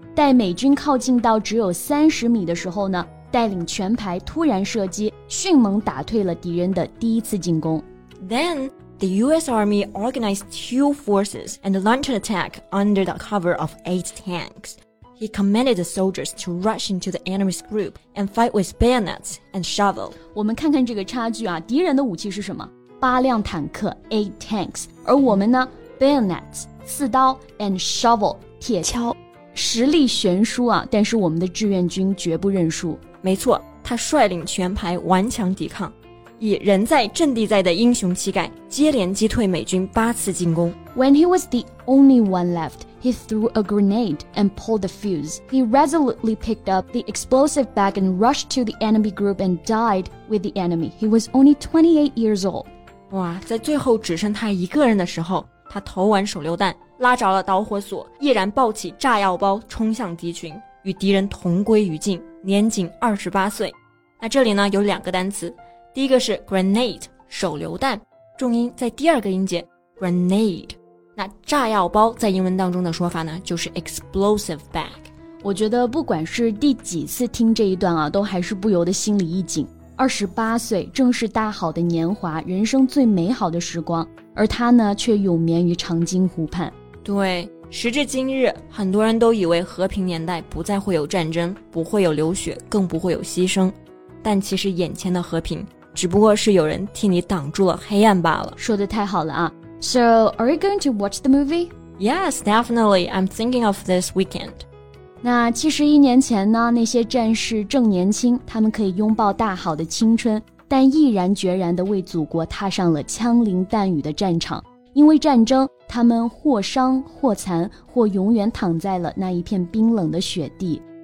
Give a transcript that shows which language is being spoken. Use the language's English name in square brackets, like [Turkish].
[Chinese] 待美军靠近到只有30米的时候呢，带领全排突然射击，迅猛打退了敌人的第一次进攻。 [English] Then, the US Army organized two forces and launched an attack under the cover of 8 tanks. He commanded the soldiers to rush into the enemy's group and fight with bayonets and shovel. [Chinese] 我们看看这个差距啊，敌人的武器是什么？八辆坦克 ， [English] 8 tanks， [Chinese] 而我们呢 ，bayonets， 刺刀 ， [English] and shovel， [Chinese] 铁锹。实力悬殊啊，但是我们的志愿军绝不认输。没错，他率领全排顽强抵抗，以人在阵地在的英雄气概，接连击退美军八次进攻。 [English] When he was the only one left. He threw a grenade and pulled the fuse. He resolutely picked up the explosive bag and rushed to the enemy group and died with the enemy. He was only 28 years old. [Chinese] 哇，在最后只剩他一个人的时候，他投完手榴弹，拉着了导火索，毅然抱起炸药包冲向敌群，与敌人同归于尽，年仅28岁。那这里呢，有两个单词，第一个是 grenade, 手榴弹，重音在第二个音节 grenade。那炸药包在英文当中的说法呢，就是 explosive bag。我觉得不管是第几次听这一段啊，都还是不由得心里一紧。 28岁，正是大好的年华，人生最美好的时光，而他呢，却永眠于长津湖畔。对，时至今日，很多人都以为和平年代不再会有战争，不会有流血，更不会有牺牲。但其实眼前的和平，只不过是有人替你挡住了黑暗罢了。说得太好了啊。 [English] So, are you going to watch the movie? Yes, definitely. I'm thinking of this weekend. [Chinese] 那71年前呢，那些战士正年轻，他们可以拥抱大好的青春，但毅然决然地为祖国踏上了枪林弹雨的战场。因为战争，他们或伤或残，或永远躺在了那一片冰冷的雪地。